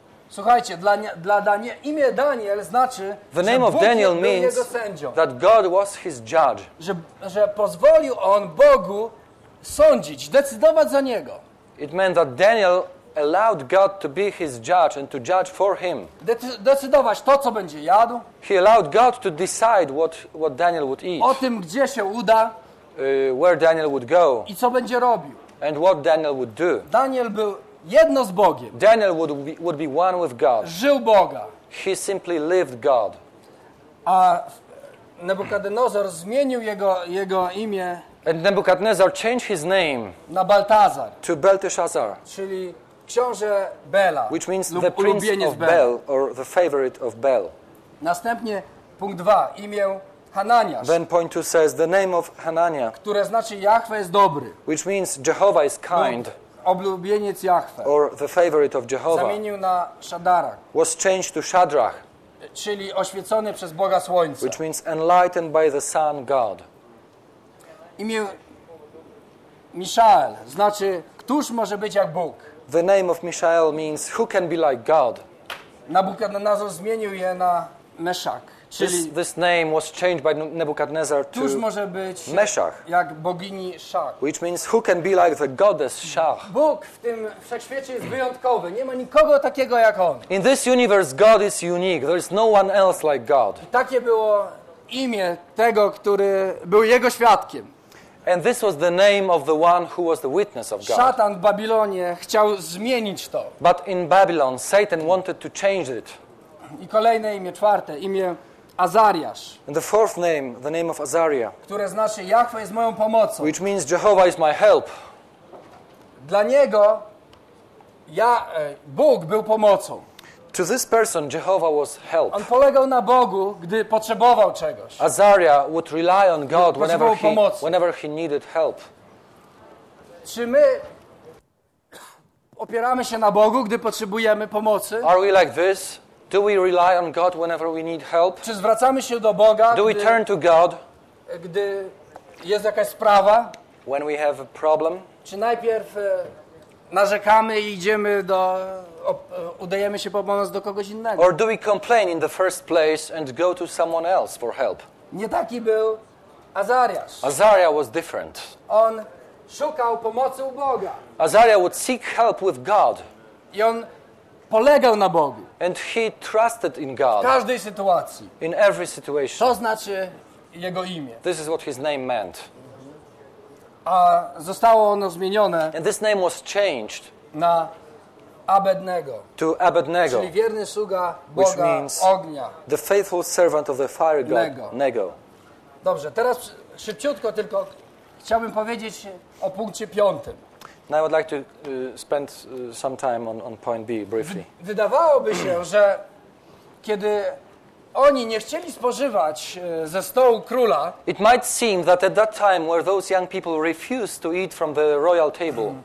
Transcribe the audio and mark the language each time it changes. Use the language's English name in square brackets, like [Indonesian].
[Polish] Słuchajcie, imię Daniel znaczy, [English] the name of Daniel means that God was his judge, [Polish] że pozwolił on Bogu sądzić, decydować za niego. [English] It meant that Daniel allowed God to be his judge and to judge for him. [Polish] Decydować to, co będzie jadł. [English] He allowed God to decide what Daniel would eat. [Polish] O tym, gdzie się uda. [English] Where Daniel would go. [Polish] I co będzie robił. [English] And what Daniel would do. [Polish] Daniel był jedno z Bogiem. [English] Daniel would be one with God. [Polish] Żył Boga. [English] He simply lived God. [Polish] A Nebukadnezar zmienił jego imię. [English] And Nebukadnezar changed his name. [Polish] Na Baltazar. [English] To Belteshazzar. [Polish] Czyli książę Bela, [English] which means the prince of Bel or the favorite of Bel. [Polish] Następnie punkt 2, imię Hananiasz. [English] Then point 2 says the name of Hanania, [Polish] które znaczy Jahwe jest dobry, [English] which means Jehovah is kind. [Polish] Oblubieniec Jahwe, [English] or the favorite of Jehovah. [Polish] Zamienił na Shadrach, [English] was changed to Shadrach, [Polish] czyli oświecony przez Boga Słońca, [English] which means enlightened by the sun God. [Polish] Imię Mishael znaczy któż może być jak Bóg. [English] The name of Mishael means who can be like God. [Polish] Nebukadnezar zmienił je na Meszach. [English] This name was changed by Nebuchadnezzar to [Polish] Któż może być [English] Meszach, [Polish] jak bogini Szach. [English] Which means who can be like the goddess Szach. [Polish] Bóg w tym wszechświecie jest wyjątkowy. Nie ma nikogo takiego jak on. [English] In this universe God is unique. There is no one else like God. [Polish] I takie było imię tego, który był jego świadkiem. [English] And this was the name of the one who was the witness of God. [Polish] Szatan w Babilonie chciał zmienić to. [English] But in Babylon, Satan wanted to change it. [Polish] I kolejne imię, czwarte, imię Azariasz. [English] And the fourth name, the name of Azaria. [Polish] Które znaczy, Jahwe jest moją pomocą. [English] Which means Jehovah is my help. [Polish] Dla niego Bóg był pomocą. [English] To this person, Jehovah was help. [Polish] On polegał na Bogu, gdy potrzebował czegoś. [English] Azaria would rely on God whenever he needed help. [Polish] Czy my opieramy się na Bogu, gdy potrzebujemy pomocy? [English] Are we like this? Do we rely on God whenever we need help? [Polish] Czy zwracamy się do Boga, [English] do we turn to God? [Polish] Gdy jest jakaś sprawa? [English] When we have a problem? [Polish] Czy najpierw narzekamy i idziemy do... udajemy się po pomoc do kogoś innego. [English] Or do we complain in the first place and go to someone else for help? [Polish] Nie taki był Azariasz. [English] Azaria was different. [Polish] On szukał pomocy u Boga. [English] Azariah would seek help with God. [Polish] I on polegał na Bogu. [English] And he trusted in God. [Polish] W każdej sytuacji. [English] In every situation. [Polish] To znaczy jego imię. [English] This is what his name meant. [Polish] A zostało ono zmienione. [English] And this name was changed. [Polish] Na Abednego. [English] To Abednego. [Polish] Czyli wierny sługa Boga, [English] which means [Polish] ognia. [English] The faithful servant of the fire god. Nego. Nego. [Polish] Dobrze, teraz szybciutko tylko chciałbym powiedzieć o punkcie piątym. [English] Now I would like to spend some time on point B briefly. [Polish] Wydawałoby się, że kiedy oni nie chcieli spożywać ze stołu króla, [English] it might seem that at that time where those young people refused to eat from the royal table